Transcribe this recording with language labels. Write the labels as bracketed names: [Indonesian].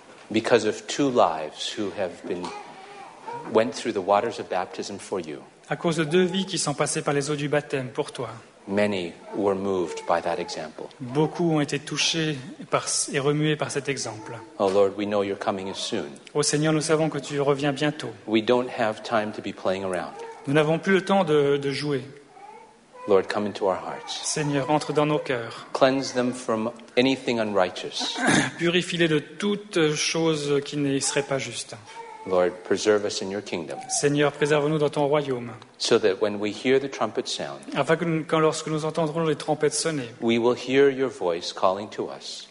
[English] Because of two lives who have been went through the waters of baptism for you. [French] À cause de deux vies qui sont passées par les eaux du baptême pour toi. [English] Many were moved by that example. [French] Beaucoup ont été touchés et remués par cet exemple. [English] Oh Lord, we know you're coming soon. [French] Ô Seigneur, nous savons que tu reviens bientôt. [English] We don't have time to be playing around. [French] Nous n'avons plus le temps de jouer. [English] Lord, come into our hearts. [French] Seigneur, entre dans nos cœurs. [English] Cleanse them from anything unrighteous. [French] Purifie-les de toute chose qui ne serait pas juste. [English] Lord, preserve us in your kingdom. [French] Seigneur, préserve-nous dans ton royaume. [English] So that when we hear the trumpet sound, [French] afin que lorsque nous entendrons les trompettes sonner, [English] we will hear your voice calling to us.